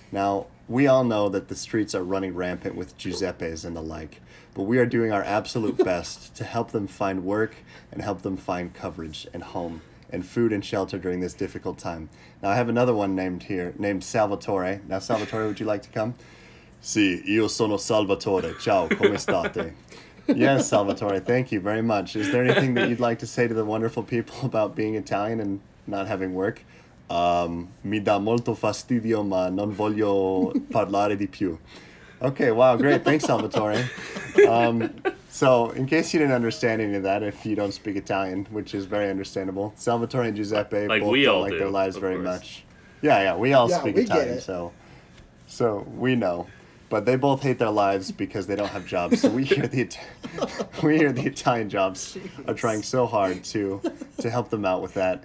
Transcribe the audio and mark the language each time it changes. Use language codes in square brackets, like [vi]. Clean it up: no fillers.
[en] Now, we all know that the streets are running rampant with Giuseppes and the like, but we are doing our absolute best to help them find work and help them find coverage and home and food and shelter during this difficult time. Now, I have another one named Salvatore. Now, Salvatore, would you like to come? [it] Sì, io sono Salvatore. Ciao, come state? [en] Yes, Salvatore, thank you very much. Is there anything that you'd like to say to the wonderful people about being Italian and not having work? [it] Mi dà molto fastidio, ma non voglio parlare di più. [en] Okay, wow, great. Thanks, Salvatore. So, in case you didn't understand any of that, if you don't speak Italian, which is very understandable, Salvatore and Giuseppe both their lives very much. Yeah, we all speak Italian. So we know. But they both hate their lives because they don't have jobs. So we hear the Italian Jobs are trying so hard to help them out with that.